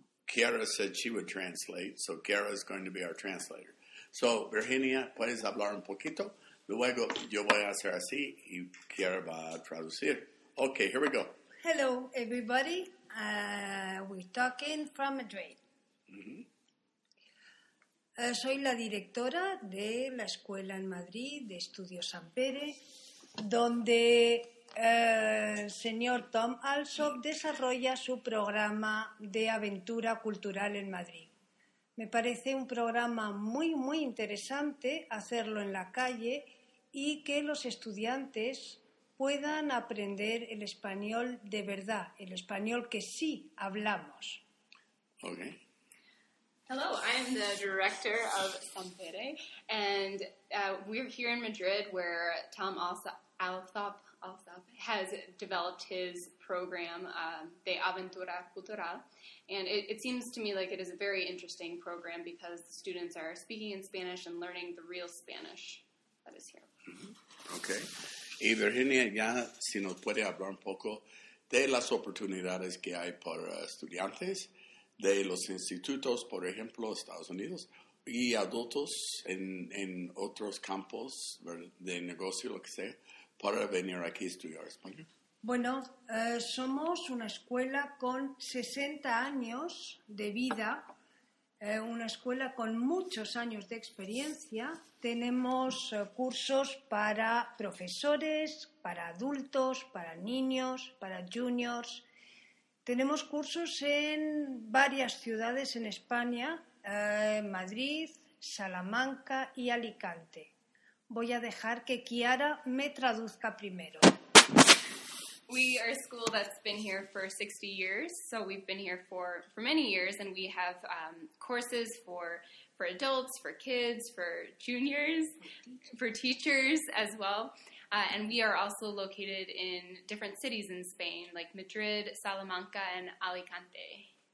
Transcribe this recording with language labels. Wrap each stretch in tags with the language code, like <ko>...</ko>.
<en>Kiara said she would translate, so Kiara is going to be our translator.</en> <es>So, Virginia, puedes hablar un poquito? Luego, yo voy a hacer así y Kiara va a traducir.</es> <en>Okay, here we go. Hello, everybody. We're talking from Madrid. Mm-hmm.</en> <es>Soy la directora de la escuela en Madrid, de Estudio Sampere, donde el señor Tom Alsop desarrolla su programa de aventura cultural en Madrid. Me parece un programa muy, muy interesante hacerlo en la calle y que los estudiantes puedan aprender el español de verdad, el español que sí hablamos.</es> <en>Okay. Hello, I'm the director of Sampere, and we're here in Madrid where Tom Alsop has developed his program, De Aventura Cultural, and it seems to me like it is a very interesting program because the students are speaking in Spanish and learning the real Spanish that is here. Mm-hmm. Okay.</en> <es>Y Virginia, ya si nos puede hablar un poco de las oportunidades que hay para estudiantes de los institutos, por ejemplo, Estados Unidos, y adultos en otros campos de negocio, lo que sea, para venir aquí a estudiar español. Bueno, somos una escuela con 60 años de vida, una escuela con muchos años de experiencia. Tenemos cursos para profesores, para adultos, para niños, para juniors. Tenemos cursos en varias ciudades en España, Madrid, Salamanca y Alicante. Voy a dejar que Kiara me traduzca primero.</es> <en>We are a school that's been here for 60 years, so we've been here for many years, and we have courses for adults, for kids, for juniors, for teachers as well. And we are also located in different cities in Spain, like Madrid, Salamanca, and Alicante.</en>